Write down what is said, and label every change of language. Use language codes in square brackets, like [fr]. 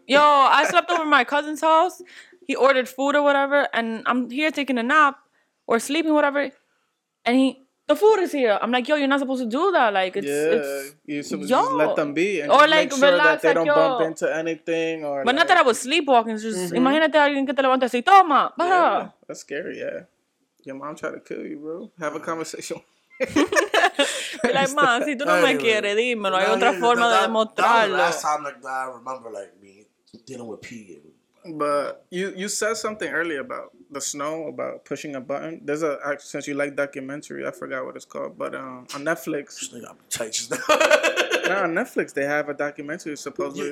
[en] Yo, I slept over my cousin's house. He ordered food or whatever, and I'm here taking a nap or sleeping, whatever. And the food is here. I'm like, yo, you're not supposed to do that. Like, you're supposed to just let them be. And or, like, make sure relax, that they like, don't bump into anything. Or but like, not that I was sleepwalking. It's just, mm-hmm. [es] imagínate alguien que te levanta así, toma, baja. [en] Yeah, that's scary, yeah. Your mom tried to kill you, bro. Have a conversation. Like, man, [es] si tú no me quieres, dímelo. Hay otra forma de demostrarlo. [en] That was the last time that I remember, like, me dealing with pee. But you said something earlier about the snow, about pushing a button. There's a, since you like documentary, I forgot what it's called, but on Netflix. On Netflix, they have a documentary, supposedly.